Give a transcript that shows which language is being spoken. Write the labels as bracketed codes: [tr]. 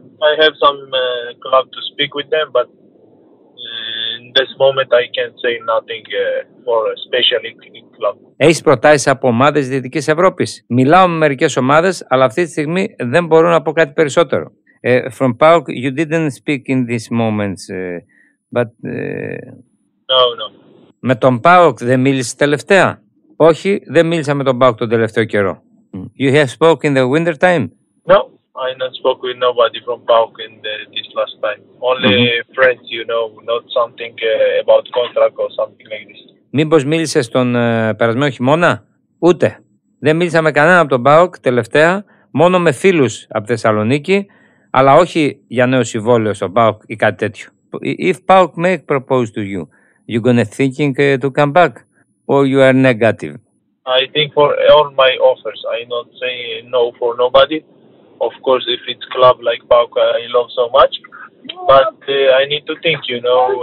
[en] I have some club to speak with them, but in this moment I can't say nothing for a special club. [el] Έχεις προτάσεις από ομάδες Δυτικής Ευρώπης? Μιλάω με μερικές ομάδες, αλλά αυτή τη στιγμή δεν μπορώ να πω κάτι περισσότερο. [en] From PAOK, you didn't speak in these moments, but... No. [el] Με τον PAOK δεν μίλησε τελευταία? Όχι, δεν μίλησα με τον PAOK τον τελευταίο καιρό. [en] You have spoken in the winter time? No, I not spoke with nobody from PAOK in this last time. Only friends, you know, not something about contract or something like this. [el] Μήπως μίλησες τον περασμένο χειμώνα? Ούτε. Δεν μίλησα με κανένα από τον PAOK τελευταία, μόνο με φίλους από Θεσσαλονίκη, αλλά όχι για νέο συμβόλαιο στο ΠΑΟΚ ή κάτι τέτοιο. [en] If ΠΑΟΚ make propose to you, you gonna thinking to come back or you are negative? I think for all my offers, I not say no for nobody. Of course, if it's club like ΠΑΟΚ, I love so much. But I need to think, you know.